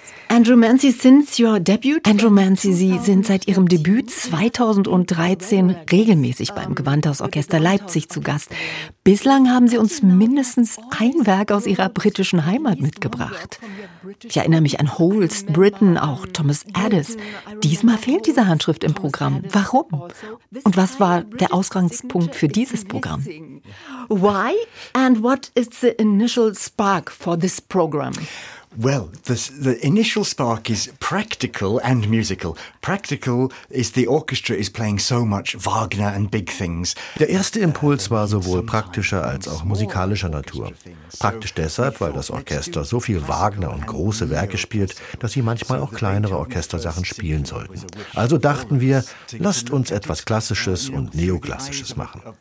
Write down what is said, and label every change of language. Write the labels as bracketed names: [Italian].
[German] Andrew Manzi, [English] since your debut? [German] Andrew Manzi, Sie sind seit Ihrem Debüt 2013 regelmäßig beim Gewandhausorchester Leipzig zu Gast. Bislang haben Sie uns mindestens ein Werk aus Ihrer britischen Heimat mitgebracht. Ich erinnere mich an Holst, Britten, auch Thomas Addis. Diesmal fehlt diese Handschrift im Programm. Warum? Und was war der Ausgangspunkt für dieses Programm? [English] Why and what is the initial spark for this program? Well, the initial spark is practical and musical. Practical is the orchestra is playing so much Wagner and big things. [German] Der erste Impuls war sowohl praktischer als auch musikalischer Natur. Praktisch deshalb, weil das Orchester so viel Wagner und große Werke spielt, dass sie manchmal auch kleinere Orchestersachen spielen sollten. Also dachten wir, lasst uns etwas Klassisches und Neoklassisches machen.